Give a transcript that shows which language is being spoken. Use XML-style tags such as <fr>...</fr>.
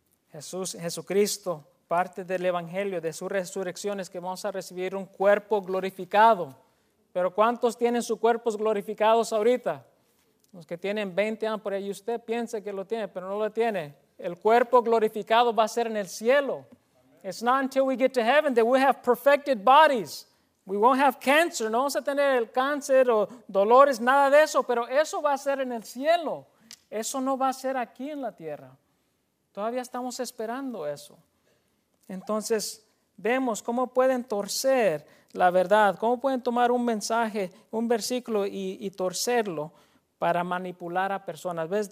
<es>Jesucristo, parte del evangelio, de su resurrección, es que vamos a recibir un cuerpo glorificado. Pero ¿cuántos tienen sus cuerpos glorificados ahorita? Los que tienen 20 años por ahí, usted piensa que lo tiene, pero no lo tiene. El cuerpo glorificado va a ser en el cielo. Amen.</es> <en>It's not until we get to heaven that we have perfected bodies. We won't have cancer.</en> <es>No vamos a tener el cáncer o dolores, nada de eso. Pero eso va a ser en el cielo. Eso no va a ser aquí en la tierra. Todavía estamos esperando eso. Entonces, vemos cómo pueden torcer la verdad, cómo pueden tomar un mensaje, un versículo y torcerlo para manipular a personas. ¿Ves?</es>